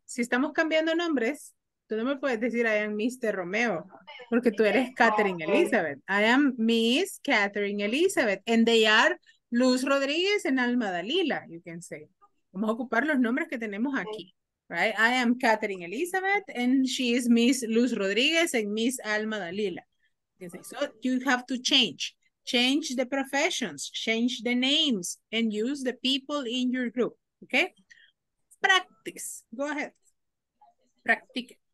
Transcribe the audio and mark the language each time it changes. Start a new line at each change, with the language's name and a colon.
Spanish: Si estamos cambiando nombres, tú no me puedes decir
English: I am Mr.
Spanish: Romeo, porque tú eres Catherine okay. Elizabeth.
English: I am Miss Catherine Elizabeth, and they are Luz Rodríguez and Alma Dalila, you can say.
Spanish: Vamos a ocupar los nombres que tenemos aquí.
English: Okay. Right, I am Catherine Elizabeth, and she is Miss Luz Rodriguez and Miss Alma Dalila. So you have to change the professions, change the names, and use the people in your group. Okay, practice. Go ahead, practice.